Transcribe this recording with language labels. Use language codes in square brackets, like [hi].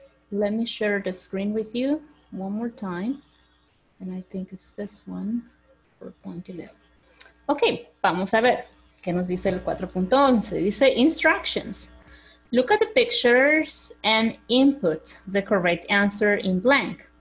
[en] Let me share the screen with you one more time. And I think it's this one, 4.11. [es] Ok, vamos a ver qué nos dice el 4.11. Dice instructions. [en] Look at the pictures and input the correct answer in blank.